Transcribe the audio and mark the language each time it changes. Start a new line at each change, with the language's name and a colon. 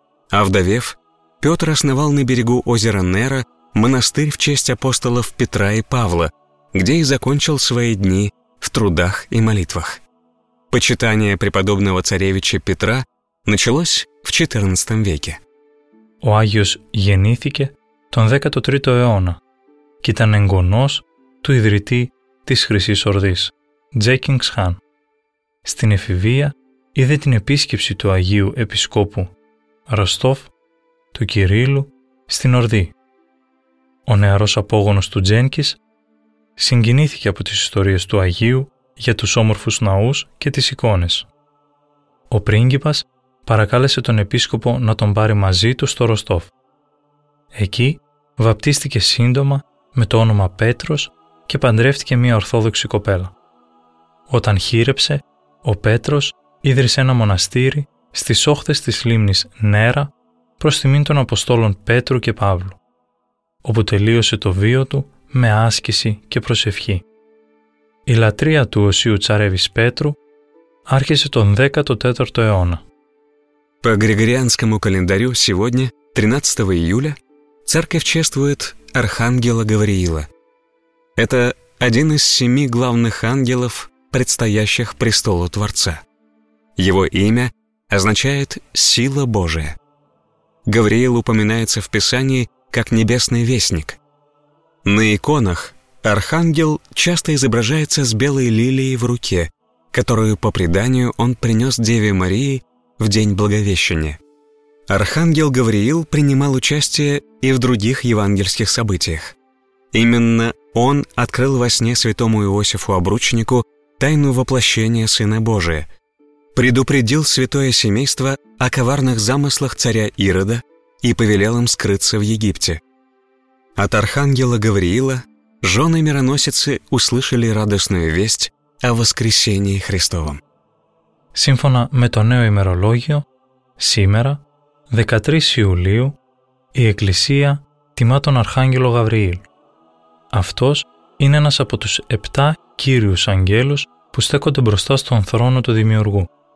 Russian: Овдовев, Петр основал на берегу озера Нера монастырь в честь апостолов Петра и Павла, где и закончил свои дни в трудах и молитвах. Почитание преподобного царевича Петра началось в XIV веке.
Greek: Ο Άγιος γεννήθηκε τον 13ο αιώνα και ήταν εγγονός του ιδρυτή της Χρυσής Ορδής, Τζέκινγκς Χάν. Στην εφηβεία είδε την επίσκεψη του Αγίου Επισκόπου Ροστόφ του Κυρίλου στην Ορδή. Ο νεαρός απόγονος του Τζένκης συγκινήθηκε από τις ιστορίες του Αγίου για τους όμορφους ναούς και τις εικόνες. Ο πρίγκιπας παρακάλεσε τον επίσκοπο να τον πάρει μαζί του στο Ροστόφ. Εκεί βαπτίστηκε σύντομα με το όνομα Πέτρος και παντρεύτηκε μια ορθόδοξη κοπέλα. Όταν χείρεψε, ο Πέτρος ίδρυσε ένα μοναστήρι στις όχθες της λίμνης Νέρα προς τιμήν των Αποστόλων Πέτρου και Παύλου, όπου τελείωσε το βίο του με άσκηση και προσευχή. Η λατρεία του Οσίου Τσαρέβης Πέτρου άρχισε τον 14ο αιώνα.
Russian: По Григорианскому календарю сегодня, 13 июля, церковь чествует Архангела Гавриила. Это один из семи главных ангелов, предстоящих престолу Творца. Его имя означает «Сила Божия». Гавриил упоминается в Писании как небесный вестник. На иконах Архангел часто изображается с белой лилией в руке, которую по преданию он принес Деве Марии в день Благовещения. Архангел Гавриил принимал участие и в других евангельских событиях. Именно он открыл во сне святому Иосифу Обручнику тайну воплощения Сына Божия, предупредил святое семейство о коварных замыслах царя Ирода и повелел им скрыться в Египте. От архангела Гавриила жены мироносицы услышали радостную весть о воскресении Христовом.
Greek: Σύμφωνα με το νέο ημερολόγιο, σήμερα, 13 Ιουλίου, η Εκκλησία τιμά τον Αρχάγγελο Γαβριήλ. Αυτός είναι ένας από τους 7 κύριους αγγέλους που στέκονται μπροστά στον θρόνο του Δημιουργού.